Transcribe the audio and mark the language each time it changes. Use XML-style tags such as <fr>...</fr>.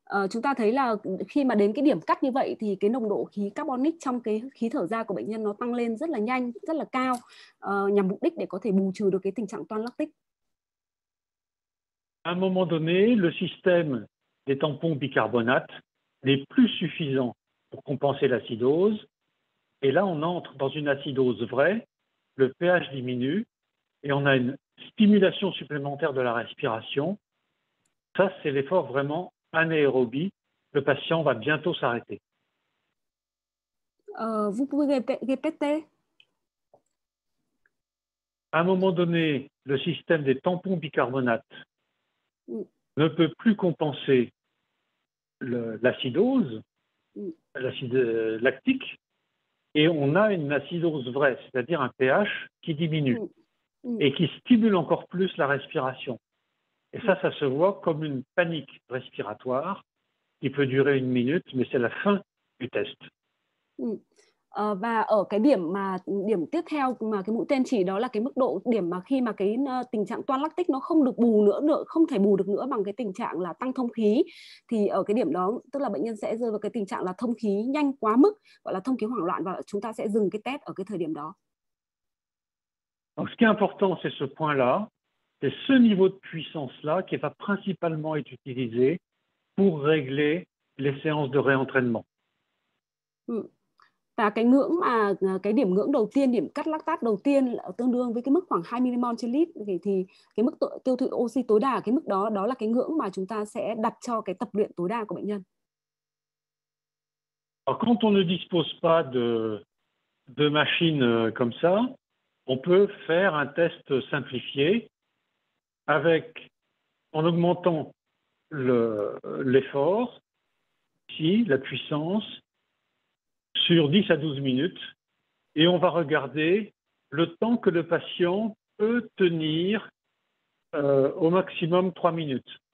<vi>Chúng ta thấy là khi mà đến cái điểm cắt như vậy thì cái nồng độ khí carbonic trong cái khí thở ra của bệnh nhân nó tăng lên rất là nhanh, rất là cao nhằm mục đích để có thể bù trừ được cái tình trạng toan lactic.</vi> <fr>À un moment donné, le système des tampons bicarbonate n'est plus suffisant pour compenser l'acidose. Et là, on entre dans une acidose vraie, le pH diminue et on a une stimulation supplémentaire de la respiration. Ça, c'est l'effort vraiment anaérobie. Le patient va bientôt s'arrêter. Vous pouvez répéter? À un moment donné, le système des tampons bicarbonate ne peut plus compenser l'acidose, l'acide lactique, et on a une acidose vraie, c'est-à-dire un pH qui diminue et qui stimule encore plus la respiration. Et ça, ça se voit comme une panique respiratoire qui peut durer une minute, mais c'est la fin du test.</fr> <vi>Và ở cái điểm tiếp theo mà cái mũi tên chỉ đó là cái mức độ điểm mà khi mà cái tình trạng toan lactic nó không được bù nữa, không thể bù được nữa bằng cái tình trạng là tăng thông khí, thì ở cái điểm đó tức là bệnh nhân sẽ rơi vào cái tình trạng là thông khí nhanh quá mức, gọi là thông khí hoảng loạn, và chúng ta sẽ dừng cái test ở cái thời điểm đó.</vi> <fr>Donc, ce qui est important, c'est ce point-là, c'est ce niveau de puissance-là qui va principalement être utilisé pour régler les séances de réentraînement.</fr> <vi>Và cái ngưỡng mà cái điểm ngưỡng đầu tiên, điểm cắt lactate đầu tiên là tương đương với cái mức khoảng 2 millimol trên lít, thì cái mức tiêu thụ oxy tối đa ở cái mức đó, đó là cái ngưỡng mà chúng ta sẽ đặt cho cái tập luyện tối đa của bệnh nhân.</vi> <fr>Alors, quand on ne dispose pas de machine comme ça, on peut faire un test simplifié avec en augmentant l'effort, ici la puissance sur 10 à 12 minutes, et on va regarder le temps que le patient peut tenir au maximum 3 minutes.</fr>